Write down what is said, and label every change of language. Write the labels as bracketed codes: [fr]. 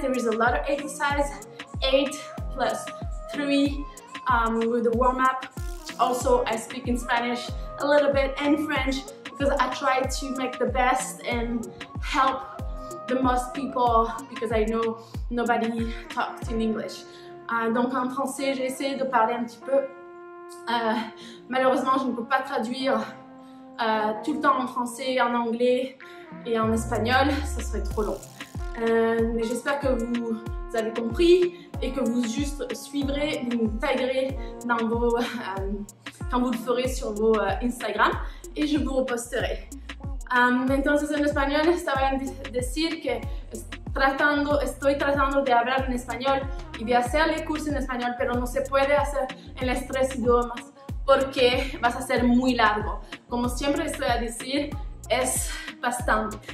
[en] There is a lot of exercise, 8 plus 3 with the warm up. Also, I speak in Spanish a little bit and French, because I try to make the best and help the most people, because I know nobody talks in English. [fr] Donc en français, j'essaie de parler un petit peu. Malheureusement, je ne peux pas traduire tout le temps en français, en anglais et en espagnol, ça serait trop long. Mais j'espère que vous avez compris et que vous juste suivrez, vous me taguerez dans vos, quand vous le ferez sur vos Instagram, et je vous reposterai. [es] Entonces, en espagnol, estaba en decir que estoy tratando de hablar en español y de hacer el curso en español, pero no se puede hacer en los 3 idiomas porque vas a ser muy largo. Como siempre estoy a decir, es bastante.